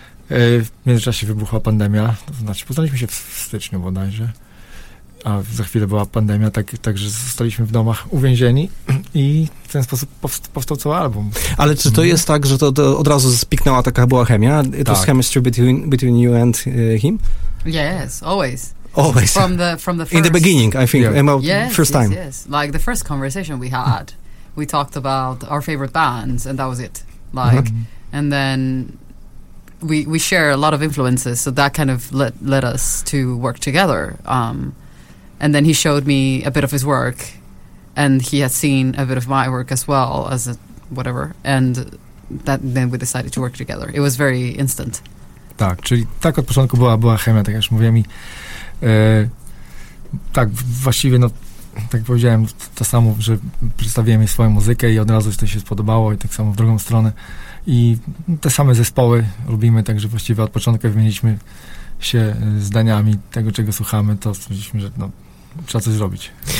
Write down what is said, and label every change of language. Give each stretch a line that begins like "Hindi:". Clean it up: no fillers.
Polish: W międzyczasie wybuchła pandemia, to znaczy poznaliśmy się w styczniu bodajże, a za chwilę była pandemia, także zostaliśmy w domach uwięzieni i w ten sposób powstał cały album. Ale czy to jest tak, że to od razu spiknęła taka była chemia? To jest
English: chemistry between you and him? Yes, always. Always. From the first. In the beginning, I think. Yeah. About yes, first time. Yes, yes. Like the first conversation we had. We talked about our favorite bands, and that was it. Like, and then we share a lot of influences, so that kind of led us to work together. And then he showed me a bit of his work, and he had seen a bit of my work as well as a whatever. And then we decided to work together. It was very instant.
Polish: Tak, czyli tak od początku była chemia, tak jak już mówiłem. Tak właściwie, no. Tak jak powiedziałem, to samo, że przedstawiłem jej swoją muzykę i od razu to się spodobało i tak samo w drugą stronę. I te same zespoły lubimy, także właściwie od początku wymieniliśmy się zdaniami tego, czego słuchamy, to stwierdziliśmy, że no, trzeba coś zrobić.